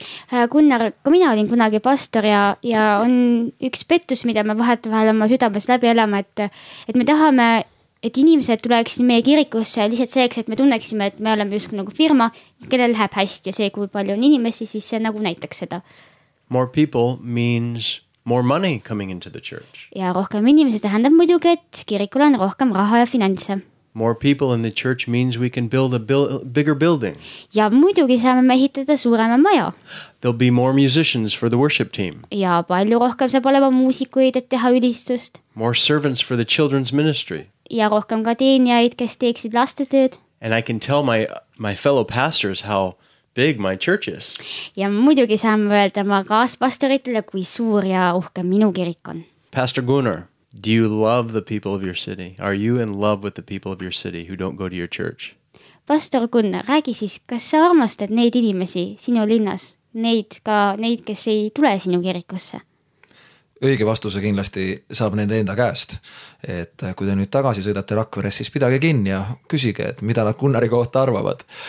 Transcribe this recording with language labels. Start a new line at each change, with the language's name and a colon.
Estonian: Gunnar, kui mina olin kunagi pastor ja on üks pettus, mida me vahet vahel oma südames läbi elama, et me tahame, et inimesed tuleksid meie kirikusse lihtsalt seeks, et me tunneksime, et me oleme just nagu firma, kellel läheb hästi ja see, kui palju on inimesi, siis see nagu näitaks seda.
English: More people means more money coming into the church.
Estonian: Ja rohkem inimesi tähendab muidugi, et kirikul on rohkem raha ja finantse.
English: More people in the church means we can build a bigger building.
Estonian: Ja muidugi saame me ehitada suurema maja.
English: There'll be more musicians for the worship team.
Estonian: Ja palju rohkem saab olema muusikuid, et teha ülistust.
English: More servants for the children's ministry.
Estonian: Ja rohkem ka teenjaid, kes teeksid lastetööd.
English: And I can tell my fellow pastors how big my church is.
Estonian: Ja muidugi saame öelda ma kaaspastoritele, kui suur ja uhke minu kirik on.
English: Pastor Gunnar. Do you love the people of your city? Are you in love with the people of your city who don't go to your church?
Estonian: Pastor Gunnar, räägi siis, kas sa armastad neid inimesi sinu linnas, neid, kes ei tule sinu kirikusse? Õige vastuse kindlasti saab nende enda käest. Et kui te nüüd tagasi sõidate Rakveres, siis pidage kinni ja küsige, et mida nad Gunnari kohta arvavad.